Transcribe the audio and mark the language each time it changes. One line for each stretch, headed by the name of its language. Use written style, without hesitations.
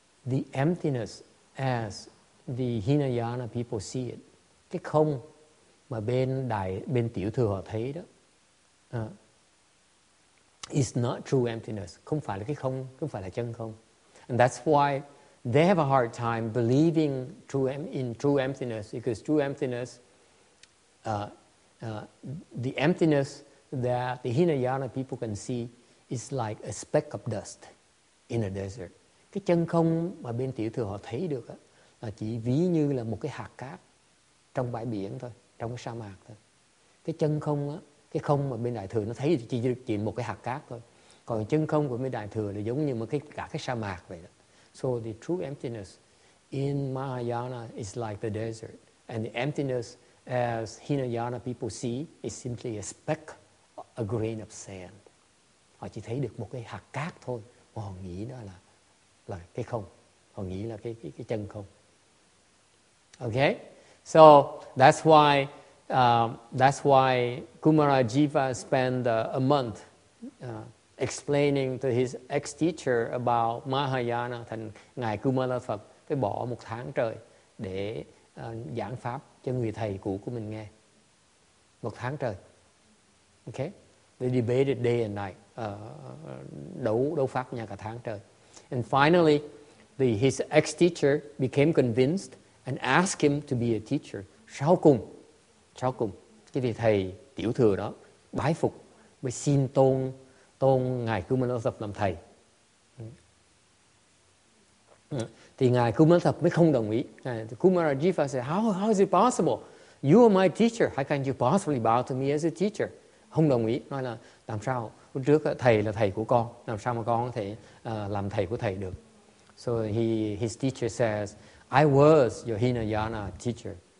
English: The emptiness as the Hinayana people see it,
Vietnamese: cái không mà bên tiểu thừa họ thấy đó,
English: is not true emptiness.
Vietnamese: Không phải là cái không, không phải là chân không.
English: And that's why they have a hard time believing true emptiness, because true emptiness, the emptiness that the Hinayana people can see is like a speck of dust in a desert.
Vietnamese: Cái chân không mà bên tiểu thừa họ thấy được đó, là chỉ ví như là một cái hạt cát trong bãi biển thôi, trong cái sa mạc thôi. Cái chân không á, cái không mà bên đại thừa nó thấy chỉ một cái hạt cát thôi. Còn chân không của bên đại thừa là giống như một cả cái sa mạc vậy đó.
English: So the true emptiness in Mahayana is like the desert, and the emptiness as Hinayana people see is simply a speck, a grain of sand.
Vietnamese: Họ chỉ thấy được một cái hạt cát thôi. Họ nghĩ đó là cái không. Họ nghĩ là cái chân không.
English: Okay, so that's why Kumarajiva spent a month explaining to his ex-teacher about Mahayana.
Vietnamese: Thành ngài Kumara Phật phải bỏ một tháng trời để giảng pháp cho người thầy cũ của mình nghe. Một tháng trời. Okay?
English: They debated day and night.
Vietnamese: Đấu pháp nhà cả tháng trời.
English: And finally, his ex-teacher became convinced and asked him to be a teacher.
Vietnamese: Sau cùng, cái vị thầy tiểu thừa đó bái phục, mới xin tôn ngài Kumara Thập làm thầy. Thì ngài Kumara Thập mới không đồng ý.
English: Kumara Jiva said, how is it possible? You are my teacher. How can you possibly bow to me as a teacher?
Vietnamese: Không đồng ý. Nói là làm sao? Trước thầy là thầy của con. Làm sao mà con có thể làm thầy của thầy được?
English: So his teacher says, I was your Hinayana teacher.